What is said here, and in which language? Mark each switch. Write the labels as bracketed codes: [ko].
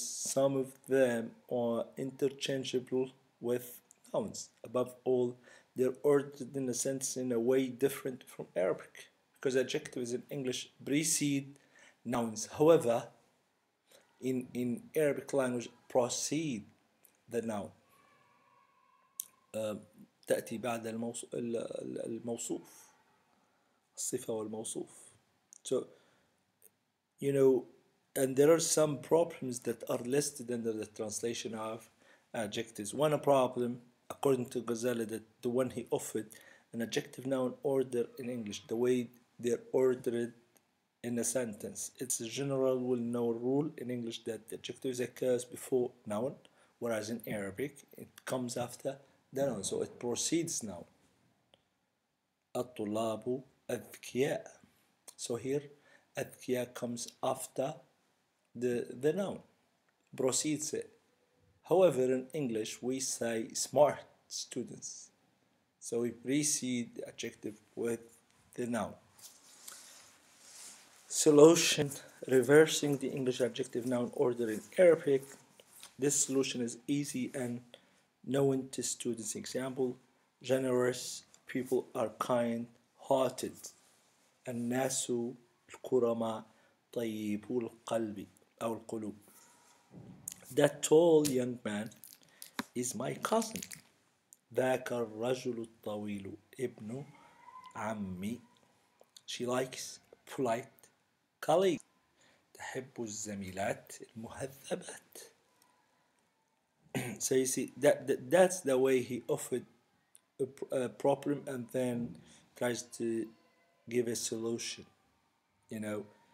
[en] Some of them are interchangeable with nouns. Above all, they're ordered in a sense in a way different from Arabic, because adjectives in English precede nouns. However, in Arabic language, precede the noun. [ar] تأتي بعد الموصوف الصفة والموصوف. [en] So, you know, and there are some problems that are listed under the translation of adjectives. One problem, according to Ghazali, that the one he offered, an adjective noun order in English, the way they're ordered in a sentence. It's a general well-known rule in English that the adjective occurs before noun, whereas in Arabic, it comes after the noun, so it precedes noun. [ar] الطلاب أذكياء. [en] So here, أذكياء comes after the noun, precedes it. However, in English, we say smart students. So we precede the adjective with the noun. Solution, reversing the English adjective noun order in Arabic. This solution is easy and known to students. Example, generous people are kind-hearted. [ar] الناس الكرماء طيبو القلب أو القلوب. [en] That tall young man is my cousin. [ar] ذاك الرجل الطويل ابن عمي. [en] She likes polite colleagues. [ar] تحب الزميلات المهذبات. [en] So you see, that's the way he offered a problem and then tries to give a solution, you know.